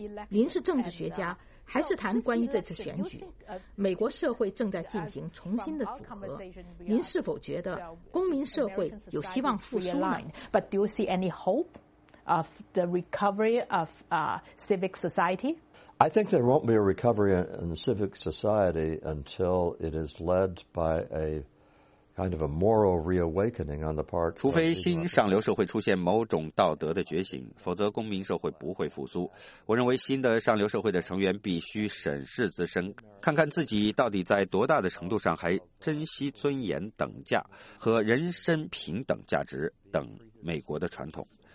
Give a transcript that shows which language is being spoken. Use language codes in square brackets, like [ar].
[zh] 您是政治学家还是谈关于这次选举，美国社会正在进行重新的组合，您是否觉得公民社会有希望复苏呢？ [en] But do you see any hope of the recovery of civic society? I think there won't be a recovery in civic society until it is led by a kind of a moral reawakening on the part. [zh] 除非新上流社会出现某种道德的觉醒，否则公民社会不会复苏。我认为新的上流社会的成员必须审视自身，看看自己到底在多大的程度上还珍惜尊严等价和人身平等价值等美国的传统。